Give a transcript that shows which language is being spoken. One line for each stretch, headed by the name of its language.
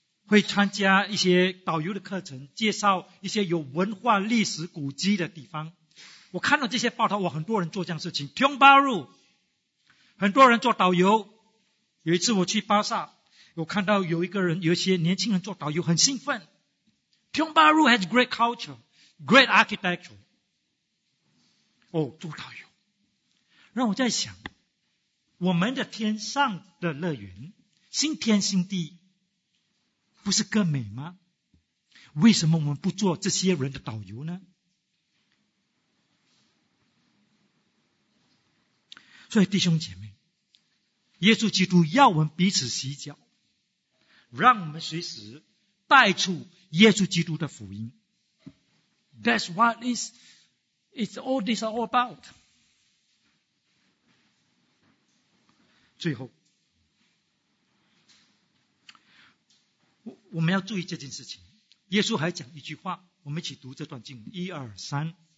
Chinese: 会参加一些导游的课程，介绍一些有文化历史古迹的地方。我看到这些报道，我很多人做这样事情。Tiong Bahru， 很多人做导游。有一次我去巴萨，我看到有一个人，有一些年轻人做导游，很兴奋。
English: Tiong Bahru has great culture, great architecture.
Chinese: 哦，做导游，让我在想，我们的天上的乐园，新天新地，不是更美吗？为什么我们不做这些人的导游呢？所以弟兄姐妹，耶稣基督要我们彼此洗脚，让我们随时带出耶稣基督的福音。
English: That's what is it's all this all about。
Chinese: 最后我们要注意这件事情，耶稣还讲一句话，我们一起读这段经文，一二三。